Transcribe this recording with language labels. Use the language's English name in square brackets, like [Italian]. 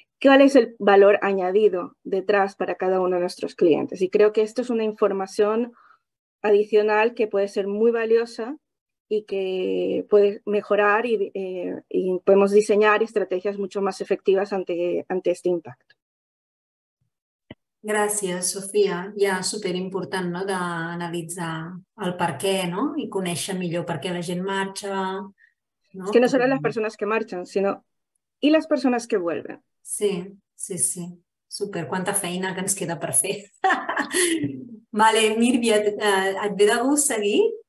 [Spanish] ¿cuál es el valor añadido detrás para cada uno de nuestros clientes? Y creo que esto es una información adicional que puede ser muy valiosa y que puede mejorar y podemos diseñar estrategias mucho más efectivas ante este impacto. [Catalan] Gràcies, Sofia. Ja és superimportant, no?, d'analitzar el per què, no?, i conèixer millor per què la gent marxa, no? [Spanish] Es que no solo las personas que marchan, sino y las personas que vuelven. [Catalan] Sí, sí, sí. Super. Quanta feina que ens queda per fer. Vale, Mirvia, et ve de gust seguir?